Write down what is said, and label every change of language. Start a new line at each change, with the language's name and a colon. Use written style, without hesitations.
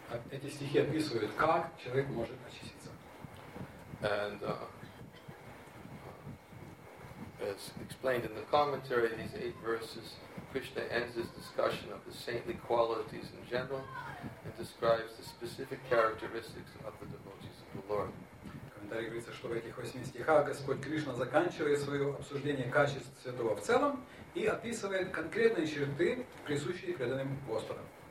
Russian: Эти стихи описывают, как человек может очиститься.
English: And as explained in the commentary, in these eight verses, Krishna ends his discussion of the saintly qualities in general and describes the specific characteristics of the devotees of the Lord.
Russian: Комментарий говорится, что в этих восьми стихах Господь Кришна заканчивает свое обсуждение качеств святого в целом и описывает конкретные черты, присущие преданным Господом.